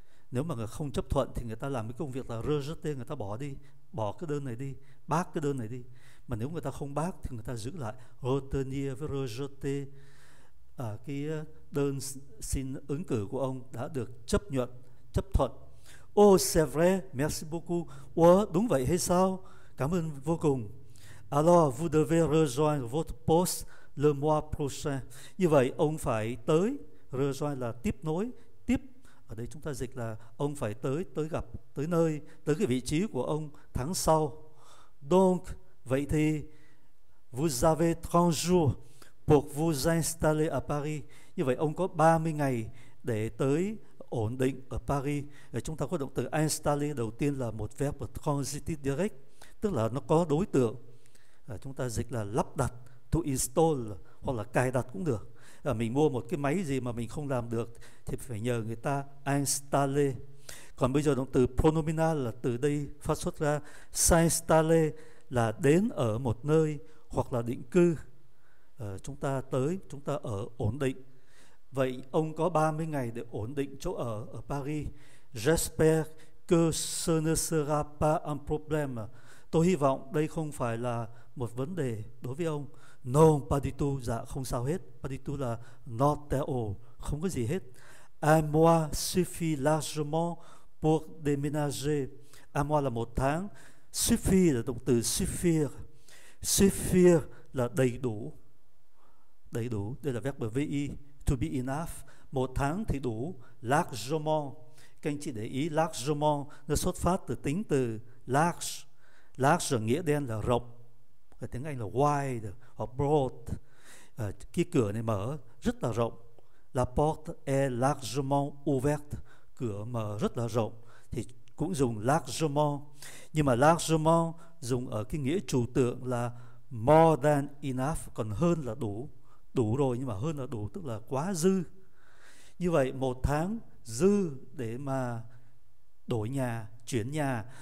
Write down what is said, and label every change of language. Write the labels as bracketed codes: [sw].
[vi] Nếu mà người không chấp thuận thì người ta làm cái công việc là rejeter, người ta bỏ đi, bỏ cái đơn này đi, bác cái đơn này đi. Mà nếu người ta không bác thì người ta giữ lại, retenir với rejeter. Cái đơn xin ứng cử của ông đã được chấp nhận, chấp thuận. [fr] Oh, c'est vrai, merci beaucoup. [vi] Ủa, đúng vậy hay sao? Cảm ơn vô cùng. [fr] Alors, vous devez rejoindre votre poste le mois prochain. [vi] Như vậy, ông phải tới, rejoindre là tiếp nối, tiếp. Ở đây chúng ta dịch là ông phải tới, tới gặp, tới nơi, tới cái vị trí của ông tháng sau. [fr] Donc, [vi] vậy thì, [fr] vous avez 30 jours pour vous installer à Paris. [vi] Như vậy, ông có 30 ngày để tới ổn định ở Paris. Để chúng ta có động từ installer, đầu tiên là một verb transitive direct, tức là nó có đối tượng. Chúng ta dịch là lắp đặt, to install, hoặc là cài đặt cũng được. Mình mua một cái máy gì mà mình không làm được thì phải nhờ người ta installer. Còn bây giờ động từ pronominal là từ đây phát xuất ra. S'installer là đến ở một nơi hoặc là định cư. Chúng ta tới, chúng ta ở ổn định. Vậy ông có 30 ngày để ổn định chỗ ở Paris. [fr] J'espère que ce ne sera pas un problème. [vi] Tôi hy vọng đây không phải là một vấn đề đối với ông. [fr] Non, pas du tout. [vi] Dạ, không sao hết. [fr] Pas du tout [vi] là [en] not at all, [vi] không có gì hết. [fr] Un mois suffit largement pour déménager. Un mois [vi] là một tháng. Suffit là động từ suffire. Suffire là đầy đủ. Đầy đủ, đây là verb vi, [en] to be enough. [vi] Một tháng thì đủ, largement. Các anh chị để ý, largement nó xuất phát từ tính từ large. Large ở nghĩa đen là rộng, ở tiếng Anh là wide hoặc broad. Cái cửa này mở rất là rộng. [fr] La porte est largement ouverte. [vi] Cửa mở rất là rộng thì cũng dùng largement. Nhưng mà largement dùng ở cái nghĩa trừu tượng là [en] more than enough, [vi] còn hơn là đủ. Đủ rồi nhưng mà hơn là đủ, tức là quá dư. Như vậy một tháng dư để mà đổi nhà, chuyển nhà.